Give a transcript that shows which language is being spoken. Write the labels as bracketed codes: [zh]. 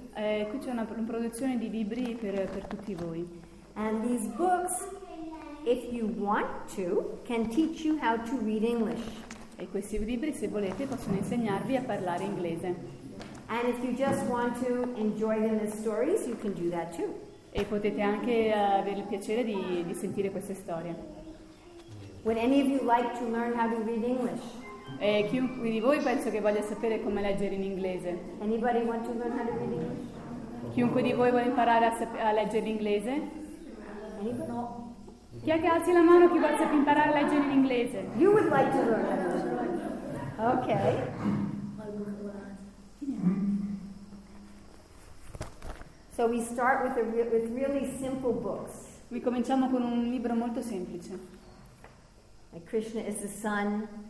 [it] Qui c'è una produzione di libri per tutti voi. [en] And these books, if you want to, can teach you how to read English. [it] E questi libri, se volete, possono insegnarvi a parlare inglese. [en] And if you just want to enjoy them as stories, you can do that too. [it] E potete anche avere il piacere di sentire queste storie. [en] Would any of you like to learn how to read English? [it] E chiunque di voi penso che voglia sapere come leggere in inglese. [en] Anybody want to learn how to read English? [it] Chiunque di voi vuole imparare a leggere in inglese? [en] Anybody? No. [it] Chi è che alzi la mano chi vuole sapere imparare a leggere in inglese? [en] You would like to learn how to read. Okay. So we start with really simple books. We [it] cominciamo con un libro molto semplice. [en] Like Krishna is the son.